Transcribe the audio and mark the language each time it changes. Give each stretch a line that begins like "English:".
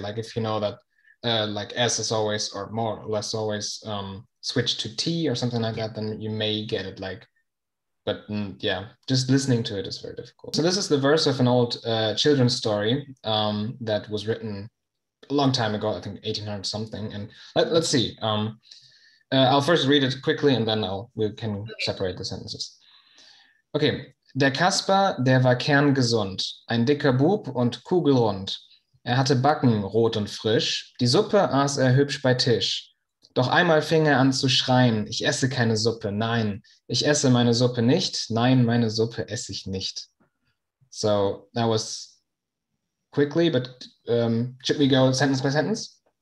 English: Like if you know that S is always or more or less always switch to T or something like that, then you may get it but just listening to it is very difficult. So this is the verse of an old children's story that was written a long time ago, I think 1800 something, and let's see. I'll first read it quickly and then we can separate the sentences.
German: Okay, der Kasper, der war kerngesund, ein dicker Bub und kugelrund. Er hatte Backen rot und frisch, die Suppe aß er hübsch bei Tisch. Doch einmal fing er an zu schreien, ich esse keine Suppe, nein, ich esse meine Suppe nicht, nein, meine Suppe esse ich nicht.
English: So that was quickly, but should we go sentence by sentence?